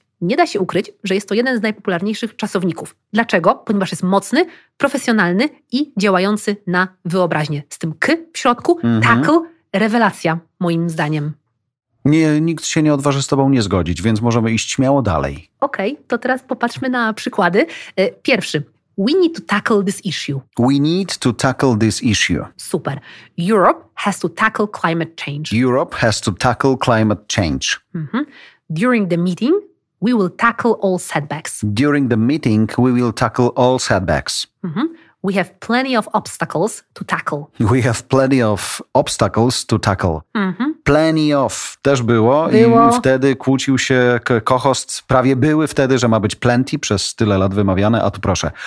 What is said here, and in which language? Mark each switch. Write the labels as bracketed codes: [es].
[pl] Nie da się ukryć, że jest to jeden z najpopularniejszych czasowników. Dlaczego? Ponieważ jest mocny, profesjonalny i działający na wyobraźnię. Z tym k w środku, mm-hmm. Tackle, rewelacja moim zdaniem. Nie, nikt się nie odważy z tobą nie zgodzić, więc możemy iść śmiało dalej. Okej, okay, to teraz popatrzmy na przykłady. Pierwszy. [en] We need to tackle this issue. We need to tackle this issue. [pl] Super. [en] Europe has to tackle climate change. Europe has to tackle climate change. Mm-hmm. During the meeting... We will tackle all setbacks. During the meeting, we will tackle all setbacks. Mm-hmm. We have plenty of obstacles to tackle. We have plenty of obstacles to tackle. Mm-hmm. [pl] Plenty of też było. Było. I wtedy kłócił się co-host. Prawie były wtedy, że ma być plenty przez tyle lat wymawiane, a tu proszę.